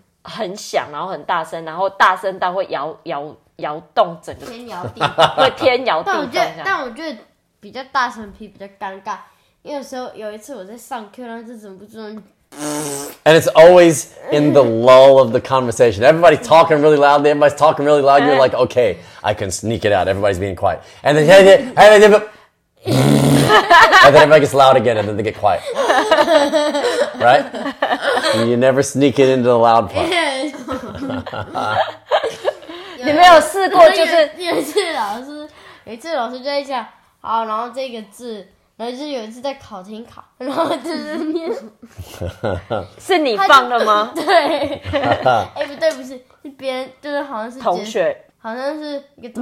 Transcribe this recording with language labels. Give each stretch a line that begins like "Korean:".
Chinese: 很响，然后很大声，然后大声到会摇摇摇动整个天摇地，会天摇地动。但我觉得比较大声屁比较尴尬，因为有一次我在上课，然后就忍不住。
English: And it's always in the lull of the conversation. Everybody's talking really loud. Everybody's talking really loud. You're like, okay, I can sneak it out. Everybody's being quiet. And then, and then everybody gets loud again, and then they get quiet. Right? And you never sneak it into the loud part.
Chinese: 你没有试过就是有一次老师就在讲，好，然后这个字。然后就有一次在考停考，然后就是念，是你放的吗？对，不对，不是，是别人，就是好像是同学，好像是一个